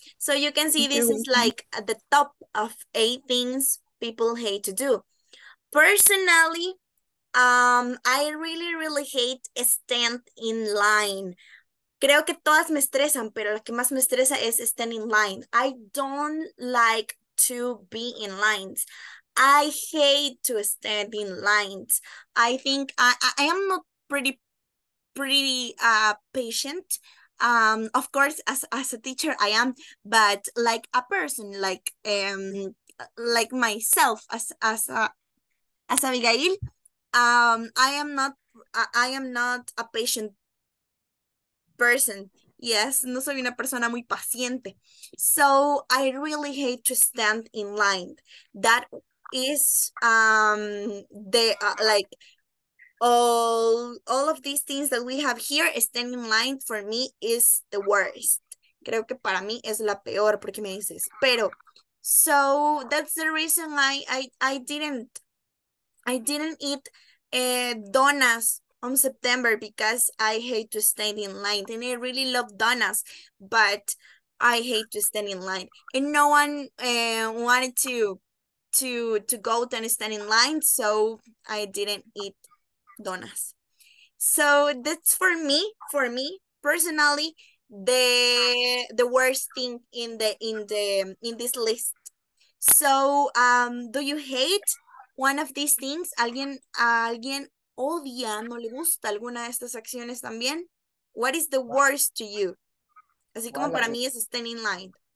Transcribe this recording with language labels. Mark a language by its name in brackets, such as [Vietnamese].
[English] So you can see this is like at the top of 8 things people hate to do. Personally, I really, really hate stand in line. [Spanish] Creo que todas me estresan, pero la que más me estresa es [English] stand in line. I don't like to be in lines. I hate to stand in lines. I think I am not pretty patient. Of course, as a teacher, I am, but like a person, like myself, as Abigail, I am not a patient person. [Spanish] Yes, no soy una persona muy paciente. [English] So I really hate to stand in line. That is all of these things that we have here, standing in line for me is the worst. [Spanish] Creo que para mí es la peor porque me dices. [English] Pero so that's the reason I didn't eat donuts on September because I hate to stand in line. And I really love donuts, but I hate to stand in line. And no one wanted to go and stand in line, so I didn't eat donuts. So that's for me personally the worst thing in this list. So do you hate one of these things? [Spanish] ¿Alguien odia, no le gusta alguna de estas acciones también? [English] What is the worst to you? [Spanish] Así como para mí es [English] stand in line.